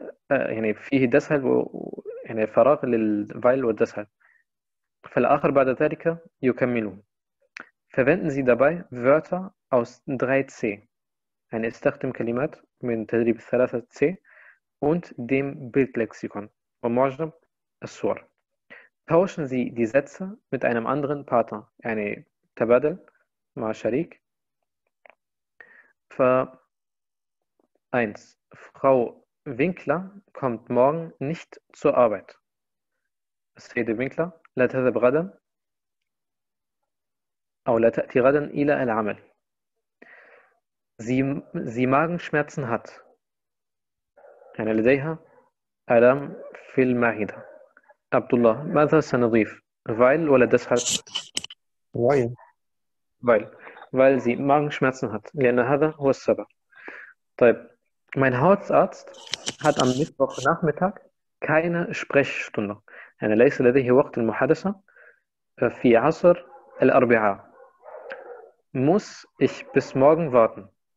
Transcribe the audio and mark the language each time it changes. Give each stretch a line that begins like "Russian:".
Arabic: يعني فيه deshalb يعني فراغ لل weil و deshalb فالآخر بعد ذلك يكملون
German: verwenden Sie dabei Wörter aus 3C
Arabic: يعني استخدم كلمات من تدريب 3C
German: und dem Bildlexikon
Arabic: ومعجم الصور
German: tauschen Sie die Sätze mit einem anderen Partner
Arabic: يعني تبادل مع شريك.
German: ف 1 Frau Winkler kommt morgen nicht zur Arbeit.
Arabic: السيدة Winkler لا تذهب غدا أو لا تأتي غدا إلى العمل.
German: Sie Magenschmerzen hat.
Arabic: يعني لديها آلام في المعدة. عبد الله ماذا سنضيف؟
German: weil ولا deshalb؟ weil. weil. weil sie Magenschmerzen hat.
Arabic: لأن هذا هو السبب.
German: طيب mein Hausarzt hat am Mittwochnachmittag keine Sprechstunde.
Arabic: يعني ليس لديه وقت المحادثة في عصر الأربعاء.
German: muss ich bis morgen warten.